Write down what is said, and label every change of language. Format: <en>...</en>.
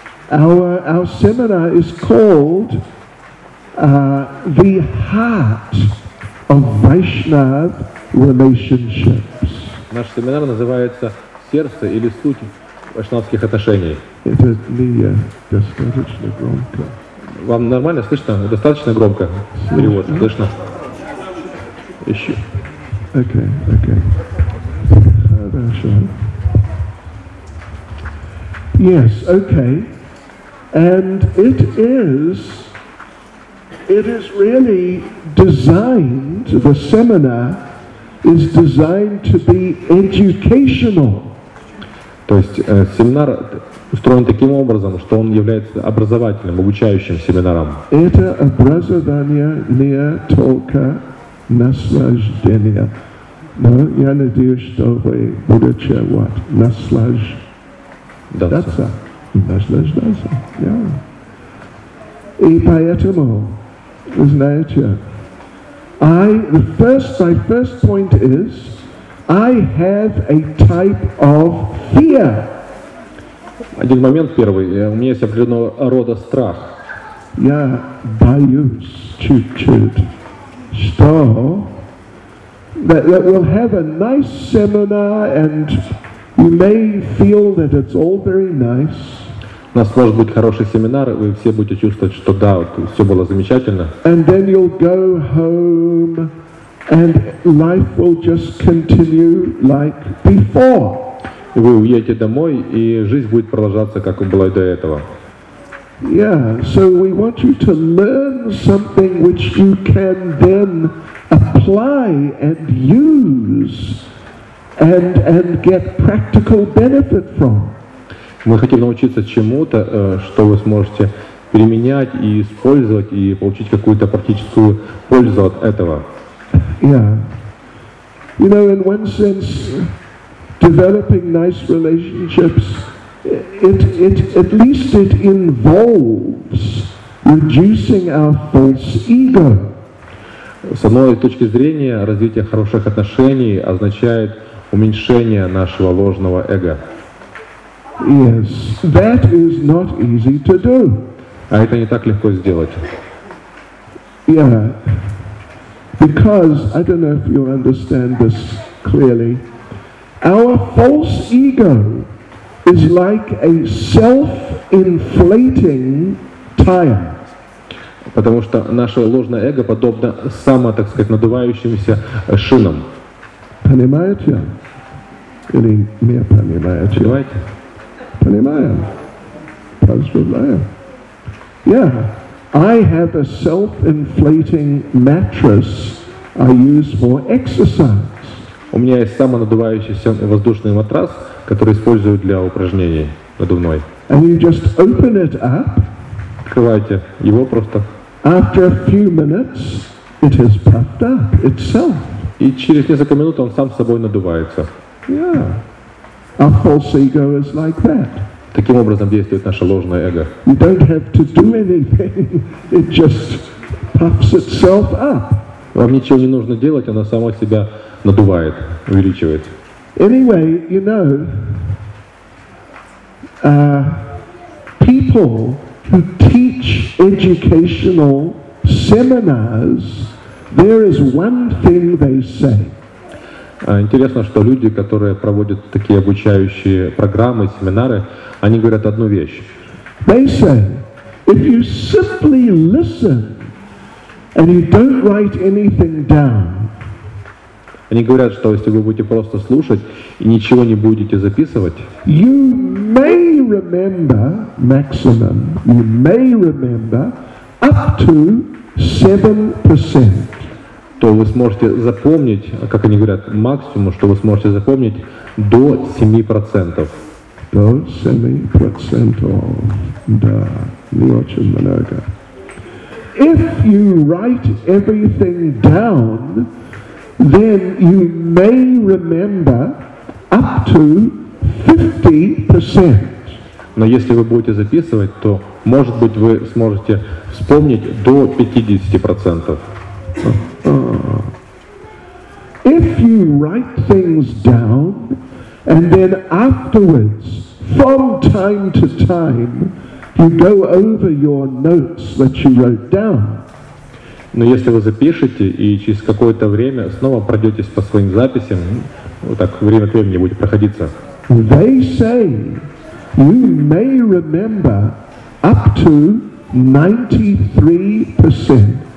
<en>Our seminar is called The Heart of Vaishnav Relationships.</en> <ru>Наш семинар называется «Сердце или суть вайшнавских отношений». Это не я, достаточно громко. Вам нормально слышно? Достаточно громко? Перевод слышно? Еще. Окей, окей. Хорошо.</ru> <en>Yes, okay. And it is really designed, the seminar is designed to be educational.</en> <ru>То есть семинар устроен таким образом, что он является образовательным, обучающим семинаром. Это образование не только наслаждение. Но я надеюсь, что вы будете вот наслаждаться. Наслаждаться, да. И поэтому, вы знаете,</ru> <en>my first point is, I have a type of fear.</en> <ru>Один момент первый, у меня есть определенного рода страх. Я боюсь чуть-чуть, что</ru> <en>that we'll have a nice seminar and you may feel that it's all very nice.</en> <ru>У нас может быть хороший семинар, и вы все будете чувствовать, что да, вот, все было замечательно.</ru> <en>And then you'll go home, and life will just continue like before.</en> <ru>И вы уедете домой, и жизнь будет продолжаться, как и было до этого.</ru> <en>Yeah, so we want you to learn something which you can then apply and use, and get practical benefit from.</en> <ru>Мы хотим научиться чему-то, что вы сможете применять и использовать, и получить какую-то практическую пользу от этого.</ru> <en>Yeah. You know, in one sense, developing nice relationships, it at least it involves reducing our false ego.</en> <ru>С одной точки зрения, развитие хороших отношений означает уменьшение нашего ложного эго.</ru> <en>Yes, that is not easy to do.</en> <ru>А это не так легко сделать.</ru> <en>Yeah, because I don't know if you understand this clearly. Our false ego is like a self-inflating tire.</en> <ru>Потому что наше ложное эго подобно само, так сказать, надувающимся шинам. Понимаете? Или не понимаете? Понимаете? Понимаю. Поздравляю. Yeah.</ru> <en>I have a self-inflating mattress. I use for exercise.</en> <ru>У меня есть самонадувающийся воздушный матрас, который использую для упражнений надувной.</ru> <en>And you just open it up.</en> <ru>Открывайте его просто.</ru> <en>After a few minutes, it has puffed up itself.</en> <ru>И через несколько минут он сам собой надувается.</ru> <en>Yeah. Our false ego is like that.</en> <ru>Таким образом действует наше ложное эго.</ru> <en>You don't have to do anything. It just puffs itself up.</en> <ru>Вам ничего не нужно делать, оно само себя надувает, увеличивает.</ru> <en>Anyway, you know, people who teach educational seminars, there is one thing they say.</en> <ru>Интересно, что люди, которые проводят такие обучающие программы, семинары, они говорят одну вещь.</ru> <en>They say, if you simply listen and you don't write anything down.</en> <ru>Они говорят, что если вы будете просто слушать и ничего не будете записывать,</ru> <en>you may remember maximum, you may remember up to 7%.</en> <ru>То вы сможете запомнить, как они говорят, максимум, что вы сможете запомнить до 7%. До 7%. Да, не очень много.</ru> <en>If you write everything down, then you may remember up to 50%.</en> <ru>Но если вы будете записывать, то, может быть, вы сможете вспомнить до 50%.</ru> <en>If you write things down, and then afterwards, from time to time, you go over your notes that you wrote down.</en> <ru>Но если вы запишете и через какое-то время снова пройдетесь по своим записям, вот так время от времени будет проходиться.</ru> <en>They say you may remember up to 93%.</en>